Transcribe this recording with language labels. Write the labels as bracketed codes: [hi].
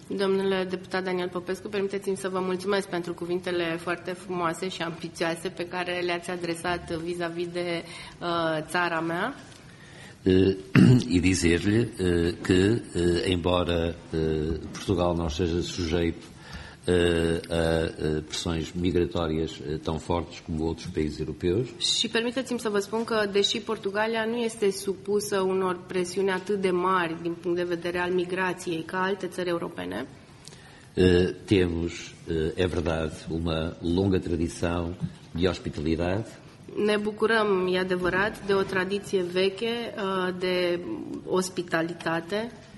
[ro] Domnule deputat Daniel Popescu, permiteți-mi să vă mulțumesc pentru cuvintele foarte frumoase și ambițioase pe care le-ați adresat vis-a-vis de țara mea. [pt] E dizer-lhe que, embora Portugal não seja sujeito a pressões migratórias tão fortes como outros países europeus. [ro] Și permiteți-mi să vă spun că, deși Portugalia nu este supusă unor presiuni atât de mari din punct de vedere al migrației ca alte țări europene, [pt] temos, é verdade, uma longa tradição de hospitalidade. [ro] Ne bucurăm, e adevărat, de o tradiție veche de ospitalitate